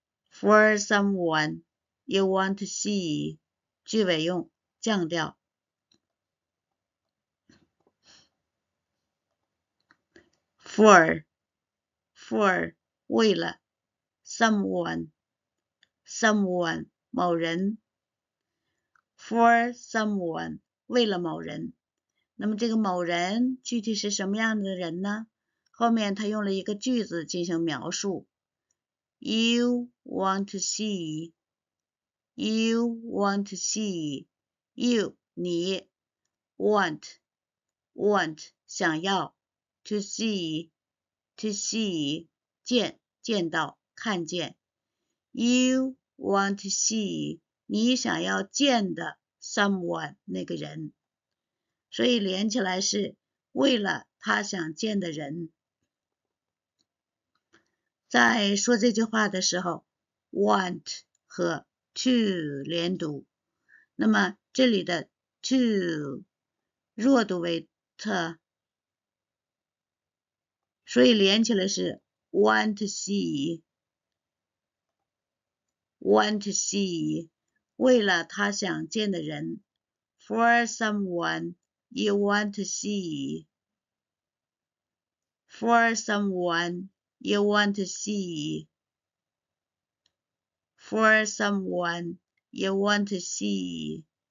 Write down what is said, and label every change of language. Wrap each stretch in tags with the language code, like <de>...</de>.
<en>For someone you want to see.</en> <zh>句尾用降调。</zh> <en>For</en> <zh>为了</zh> <en>someone。</en> <zh>Someone 某人，</zh> <en>for someone</en> <zh>为了某人，那么这个某人具体是什么样的人呢？后面他用了一个句子进行描述，</zh> <en>You want to see，You want to see，You 你 want 想要 to see 见到看见，You want to see</en> <zh>你想要见的 someone 那个人，所以连起来是为了他想见的人。在说这句话的时候，want 和 to 连读，那么这里的 to 弱读为 t，所以连起来是</zh> <en>want to see。</en> <zh>为了他想见的人，</zh> <en>for someone you want to see，for someone you want to see，for someone you want to see。</en>